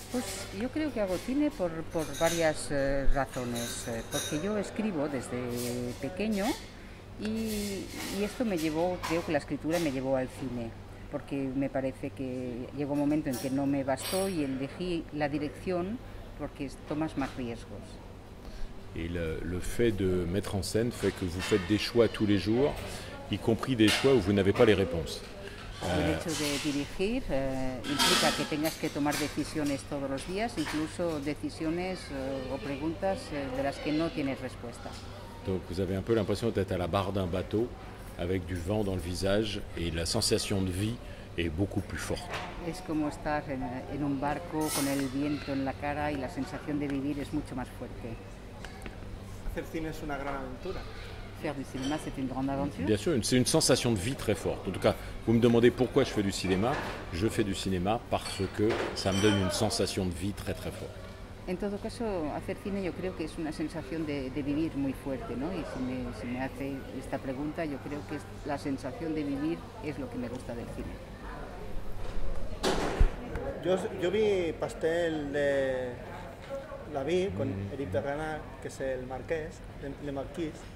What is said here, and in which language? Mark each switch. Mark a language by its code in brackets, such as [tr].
[es] Pues yo creo que hago cine por varias razones. Porque yo escribo desde pequeño y esto me llevó, creo que la escritura me llevó al cine. Porque me parece que llegó un momento en que no me bastó y elegí la dirección porque tomas más riesgos. [fr] Et le fait de mettre en scène fait que vous faites des choix tous les jours, y compris des choix où vous n'avez pas les réponses. [es] El hecho de dirigir implica que tengas que tomar decisiones todos los días, incluso decisiones o preguntas de las que no tienes respuesta. [fr] Donc vous avez un peu l'impression d'être à la barre d'un bateau avec du vent dans le visage et la sensation de vie est beaucoup plus forte. [es] Es como estar en un barco con el viento en la cara y la sensación de vivir es mucho más fuerte. Hacer cine es una gran aventura. [fr] Faire du cinéma, c'est une grande aventure. Bien sûr, c'est une sensation de vie très forte. En tout cas, vous me demandez pourquoi je fais du cinéma. Je fais du cinéma parce que ça me donne une sensation de vie très très forte. [es] En todo caso, hacer cine, yo creo que es una sensación de vivir muy fuerte, ¿no? Y si me hace esta pregunta, yo creo que la sensación de vivir es lo que me gusta del cine. Yo vi Pastel de la vie con Éric de Renard, que es el marqués, le marquis.